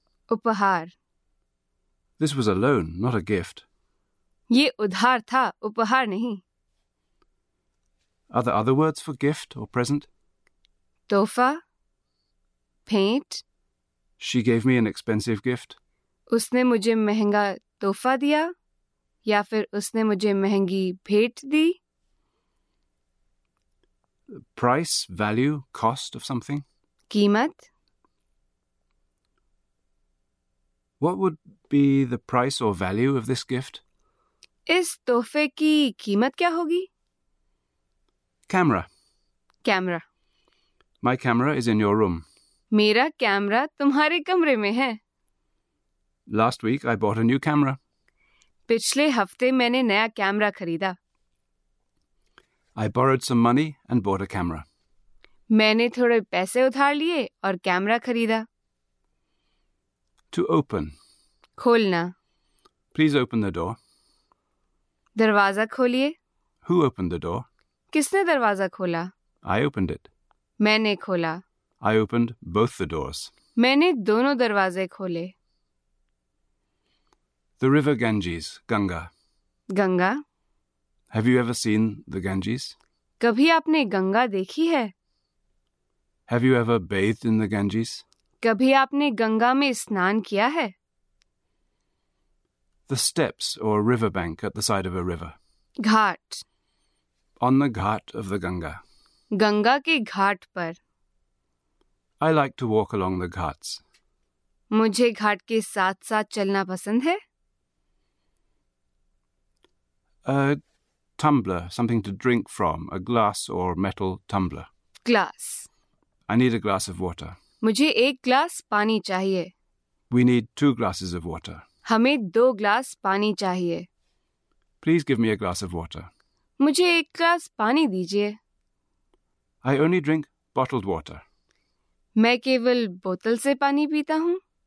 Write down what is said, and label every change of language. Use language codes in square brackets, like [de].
[hi] उपहार। [en] This was a loan, not a gift. [hi] ये उधार था, उपहार नहीं। [en] Are there other words for gift or present? [hi] तोहफा, भेंट। [en] She gave me an expensive gift. [hi] उसने मुझे महंगा तोहफा दिया, या फिर उसने मुझे महंगी भेंट दी। [en] Price, value, cost of something. [hi] कीमत। [en] What would be the price or value of this gift? [hi] इस तोहफे की कीमत क्या होगी? [en] Camera. [hi] Camera. [en] My camera is in your room. [hi] मेरा कैमरा तुम्हारे कमरे में है। [en] Last week I bought a new camera. [hi] पिछले हफ्ते मैंने नया कैमरा खरीदा। [en] I borrowed some money and bought a camera. [hi] मैंने थोड़े पैसे उधार लिए और कैमरा खरीदा। [en] To open. [hi] खोलना। [en] Please open the door. [hi] दरवाजा खोलिए। [en] Who opened the door? [hi] किसने दरवाजा खोला? [en] I opened it. [hi] मैंने खोला। [en] I opened both the doors. [hi] मैंने दोनों दरवाजे खोले। [en] The river Ganges, Ganga. [hi] Ganga. [en] Have you ever seen the Ganges? [hi] कभी आपने गंगा देखी है? [en] Have you ever bathed in the Ganges? [hi] कभी आपने गंगा में स्नान किया है? [en] The steps or river bank at the side of a river. [hi] Ghat. [en] On the ghat of the Ganga. [hi] Ganga के घाट पर। [en] I like to walk along the ghats. [hi] मुझे घाट के साथ साथ चलना पसंद है। [en] A tumbler, something to drink from, a glass or metal tumbler. Glass. I need a glass of water. [hi] मुझे एक ग्लास पानी चाहिए। [en] We need two glasses of water. [hi] हमें दो ग्लास पानी चाहिए। [en] Please give me a glass of water. [hi] मुझे एक ग्लास पानी दीजिए। [en] I only drink bottled water. [hi] मैं केवल बोतल से पानी पीता हूँ।